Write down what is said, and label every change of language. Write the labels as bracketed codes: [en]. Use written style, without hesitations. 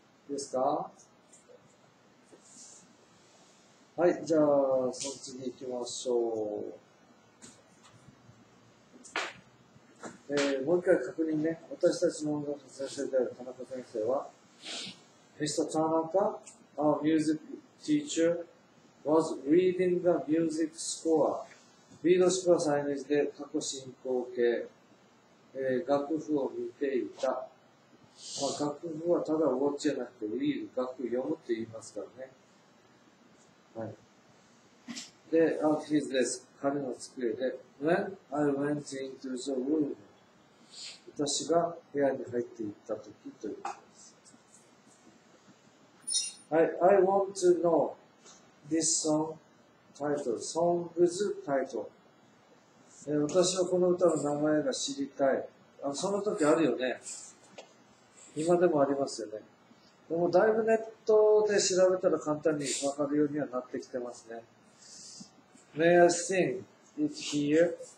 [ja] ですか? はい、じゃあ、その次行きましょう。もう一回確認ね。私たちの音楽の先生である田中先生は、Mr. [en] Tanaka, our music teacher, was reading the music score. [ja] B の宿はサイネージで過去進行形、楽譜を見ていた。まあ、楽譜はただウォッチじゃなくて、read、楽譜読むって言いますからね。はい。で、 [en] on his desk, [ja] 彼の机で、 [en] when I went into the room, [ja] 私が部屋に入っていったときということです。 [en] はい、I want to know this song title, songs title. [ja] 私はこの歌の名前が知りたい。あ、その時あるよね。今でもありますよね。でもだいぶネットで調べたら簡単にわかるようにはなってきてますね。 [en] May I sing it here?